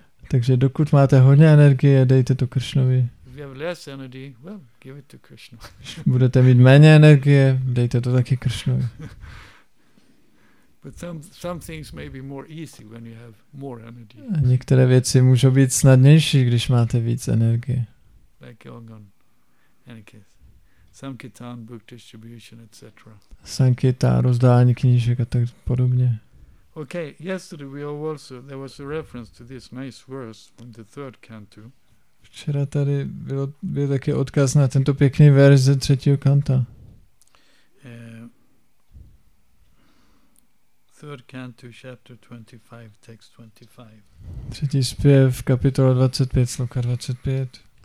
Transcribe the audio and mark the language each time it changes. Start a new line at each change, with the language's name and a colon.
Czech: Takže dokud máte hodně energie, dejte to Krishnovi.
English: If you have less energy, well, give it to Krishna.
Czech: Budete mít méně energie, dejte to taky Krishnovi.
English: But some things may be more easy when you have more energy.
Czech: A některé věci můžou být snadnější, když máte víc energie.
English: Like Ogun. Any case. Sankirtan, book distribution, etc.
Czech: Sankirtan, rozdání knížek a tak podobně.
English: Okay, yesterday we also, there was a reference to this nice verse from the third canto.
Czech: Včera tady byl taky odkaz na tento pěkný verš ze třetího kanta.
English: Third canto, chapter 25, text 25.
Czech: Třetí zpěv, kapitola 25, sloka 25.